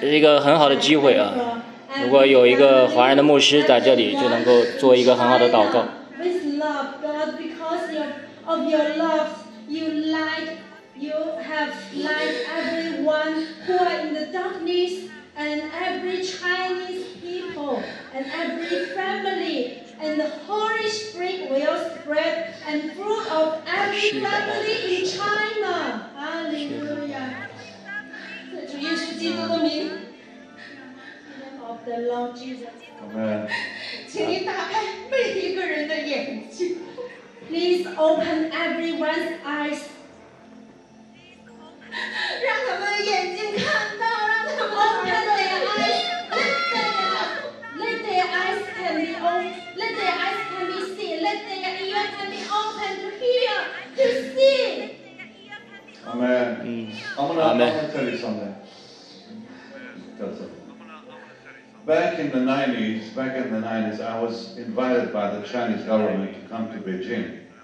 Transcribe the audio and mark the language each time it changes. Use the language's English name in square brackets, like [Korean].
[Chinese] 这是一个很好的机会啊！如果有一个华人的牧师在这里，就能够做一个很好的祷告。 [English] With love, God, because of your love, you have light everyone who are in the darkness. And every Chinese people, and every family, and the Holy Spirit will spread and fruit of every family in China. [Chinese] Hallelujah. 在主耶稣基督的名。 [English] Of the Lord Jesus. Amen. [Chinese] 请你打开每一个人的眼睛。 [English] Please open everyone's eyes. [Chinese] 让他们眼睛看到，让他们的耳朵听到。 [English] Let their eyes can be open. Let their eyes can be seen. Let their ears can be open to hear, to see. Amen. Amen. I'm gonna tell you something. Back in the 90s, I was invited by the Chinese government to come to Beijing.